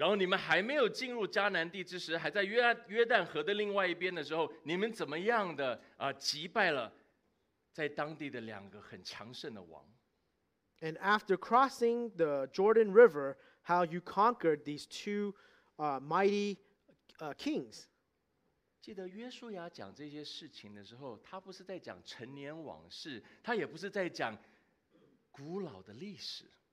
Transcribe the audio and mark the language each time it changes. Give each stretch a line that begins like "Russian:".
Chinese: 然后你们还没有进入迦南地之时，还在约旦河的另外一边的时候，你们怎么样的击败了在当地的两个很强盛的王？
English: And after crossing the Jordan River, how you conquered these two mighty kings?
Chinese: 记得约书亚讲这些事情的时候，他不是在讲陈年往事，他也不是在讲古老的历史。